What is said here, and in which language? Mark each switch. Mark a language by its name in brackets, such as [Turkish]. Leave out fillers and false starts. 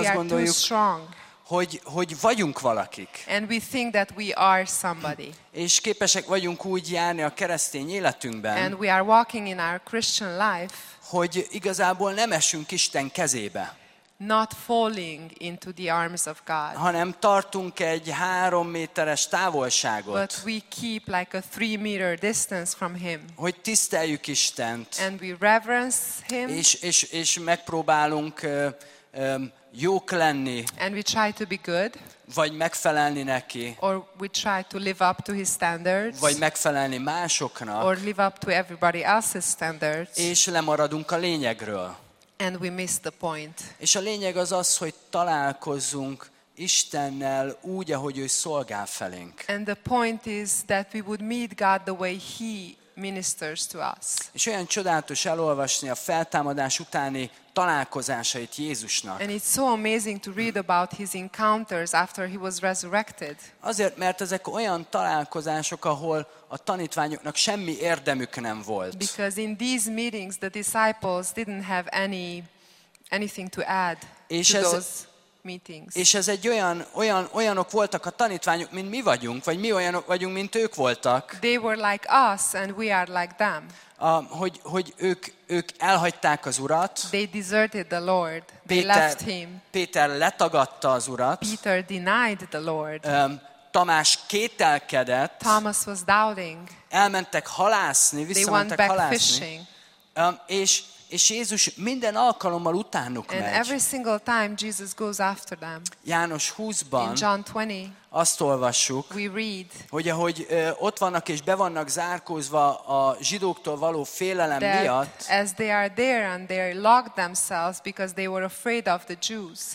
[Hungarian] azt gondoljuk, hogy vagyunk valakik. [English] And we think that we are somebody. [Hungarian] És képesek vagyunk úgy járni a keresztény életünkben. [English] And we are walking in our Christian life. [Hungarian] Hogy igazából nem esünk Isten kezébe. [English] Not falling into the arms of God. [Hungarian] Hanem tartunk egy 3 méteres távolságot. [English] But we keep like a 3 meter distance from him. [Hungarian] Hogy tiszteljük Istent. [English] And we reverence him. [Hungarian] És megpróbálunk jók lenni. [English] And we try to be good. [Hungarian] Vagy megfelelni neki. [English] Or we try to live up to his standards. [Hungarian] Vagy megfelelni másoknak. [English] Or live up to everybody else's standards. [Hungarian] És lemaradunk a lényegről. [English] And we miss the point. [Hungarian] És a lényeg az, hogy találkozzunk Istennel úgy, ahogy ő szolgál felénk. [English] And the point is that we would meet God the way he ministers to us. [Hungarian] És olyan csodálatos elolvasni a feltámadás utáni találkozásait Jézusnak. [English] And it's so amazing to read about his encounters after he was resurrected. [Hungarian] Azért, mert ezek olyan találkozások, ahol a tanítványoknak semmi érdemük nem volt. [English] Because in these meetings the disciples didn't have anything to add [Hungarian] és [English] to [Hungarian] ez, [English] those meetings. [Hungarian] És ez egy olyanok voltak a tanítványok, mint mi vagyunk, vagy mi olyanok vagyunk, mint ők voltak. [English] They were like us and we are like them. [Hungarian] Hogy ők elhagyták az Urat. [English] They deserted the Lord. They left him. [Hungarian] Péter letagadta az Urat. [English] Peter denied the Lord. [Hungarian] Tamás kételkedett. [English] Thomas was doubting. [Hungarian] Elmentek halászni, visszamentek halászni. És Jézus minden alkalommal utánuk megy. [English] And every single time Jesus goes after them. [Hungarian] János 20-ban. [English] In John 20. [Hungarian] Azt olvassuk, [English] we read, [Hungarian] hogy ahogy ott vannak és be vannak zárkózva a zsidóktól való félelem miatt, [English] as they are there and they locked themselves because they were afraid of the Jews.